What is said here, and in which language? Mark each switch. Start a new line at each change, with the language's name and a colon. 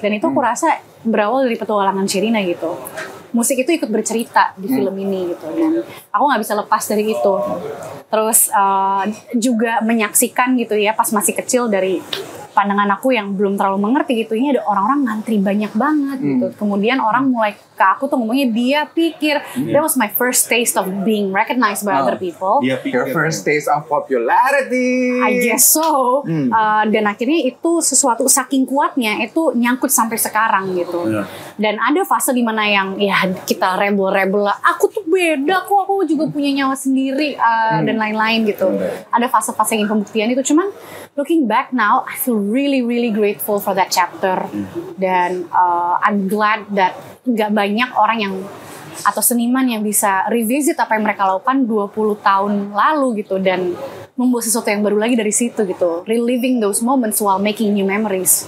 Indonesian: Dan itu aku rasa berawal dari petualangan Sherina gitu. Musik itu ikut bercerita di film ini gitu. Dan aku gak bisa lepas dari itu. Terus juga menyaksikan gitu ya, pas masih kecil dari pandangan aku yang belum terlalu mengerti gitu, ini ada orang-orang ngantri banyak banget gitu. Kemudian orang mulai ke aku tuh ngomongnya dia pikir.
English: That was my first taste of being recognized by other people.
Indonesian: Dia pikir.
English: Your first taste of popularity. I guess so.
Indonesian: Dan akhirnya itu sesuatu saking kuatnya itu nyangkut sampai sekarang gitu. Dan ada fase dimana yang ya kita rebel-rebel lah. Aku tuh beda kok, aku juga punya nyawa sendiri dan lain-lain gitu. Ada fase-fase yang pembuktian itu. Cuman
English: looking back now, I feel really really grateful for that chapter.
Indonesian: Dan
English: I'm glad that
Indonesian: gak banyak orang yang atau seniman yang bisa revisit apa yang mereka lakukan 20 tahun lalu gitu, dan membuat sesuatu yang baru lagi dari situ gitu,
English: reliving those moments while making new memories.